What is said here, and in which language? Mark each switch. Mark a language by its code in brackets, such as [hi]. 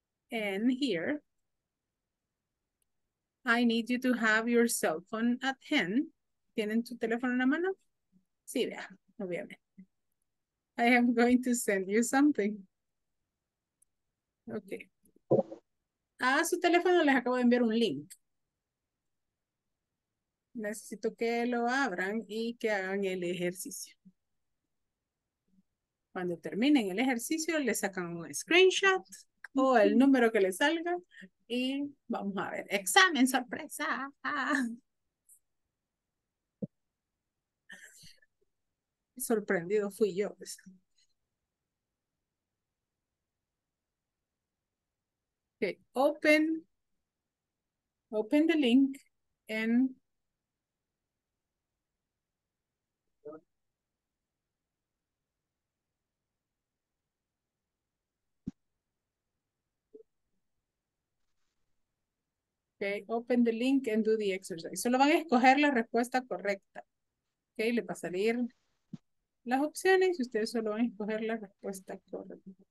[en] And here, I need you to have your cell phone at hand. [es] ¿Tienen tu teléfono en la mano? Sí, vea, obviamente. [en] I am going to send you something. Okay. [es] A su teléfono les acabo de enviar un link. Necesito que lo abran y que hagan el ejercicio. Cuando terminen el ejercicio, le sacan un screenshot o el número que les salga y vamos a ver. ¡Examen sorpresa! Sorprendido fui yo. [en] Okay, open the link and okay, open the link and do the exercise. [es] Solo van a escoger la respuesta correcta. Okay, le va a salir las opciones y ustedes solo van a escoger la respuesta correcta.